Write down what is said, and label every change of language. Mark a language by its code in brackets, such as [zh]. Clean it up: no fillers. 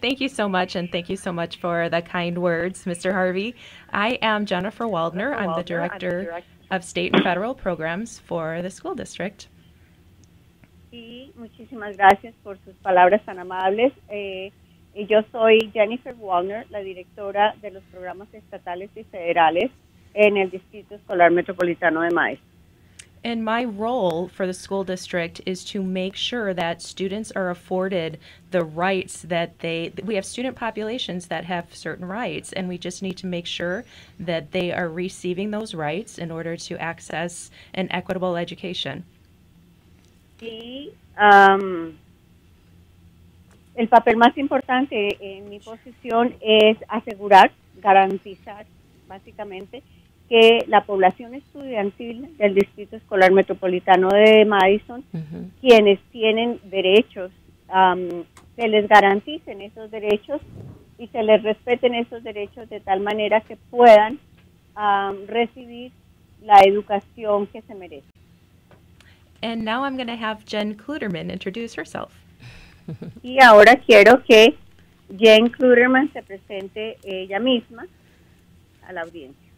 [en] Thank you so much, and thank you so much for the kind words, Mr. Harvey. I am Jennifer Waldner. I'm the director of state and federal programs for the school district. [es] Sí, muchísimas gracias por sus palabras tan amables. Yo soy Jennifer Waldner, la directora de los programas estatales y federales en el Distrito Escolar Metropolitano de Maestros. [en] And my role for the school district is to make sure that students are afforded the rights that we have student populations that have certain rights, and we just need to make sure that they are receiving those rights in order to access an equitable education. [es] Sí, el papel más importante en mi posición es garantizar básicamente que la población estudiantil del Distrito Escolar Metropolitano de Madison, quienes tienen derechos, se les garanticen esos derechos y se les respeten esos derechos de tal manera que puedan recibir la educación que se merece. [en] And now I'm going to have Jen Kluderman introduce herself. [es] Y ahora quiero que Jen Kluderman se presente ella misma a la audiencia.